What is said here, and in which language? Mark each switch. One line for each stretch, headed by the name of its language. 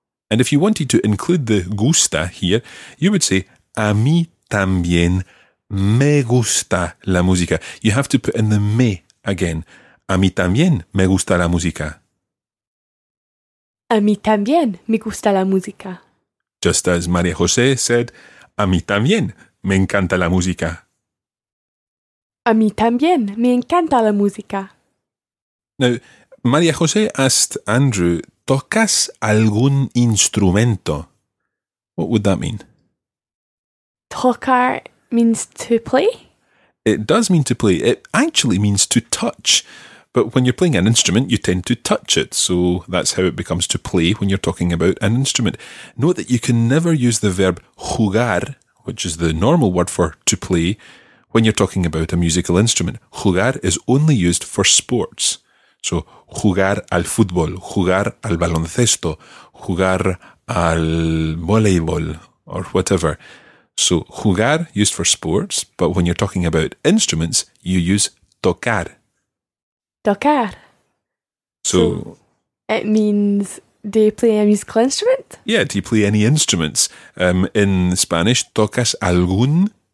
English: And if you wanted to include the gusta here, you would say, a mí también me gusta la música. You have to put in the me again.
Spanish: A mí también me gusta la música. A mí también me gusta la música.
English: Just as María José said, a mí también me encanta la música.
Spanish: A mí también, me encanta la música.
English: Now, María José asked Andrew, ¿tocas algún instrumento? What would that mean? Tocar means to play? It does mean to play. It actually means to touch. But when you're playing an instrument, you tend to touch it. So that's how it becomes to play when you're talking about an instrument. Note that you can never use the verb jugar, which is the normal word for to play, when you're talking about a musical instrument. Jugar is only used for sports. So, jugar al fútbol, jugar al baloncesto, jugar al voleibol, or whatever. So, jugar used for sports, but when you're talking about instruments, you use tocar. Tocar. So, it means... Do you play a musical instrument? Yeah, do you play any instruments? In Spanish, tocas algún...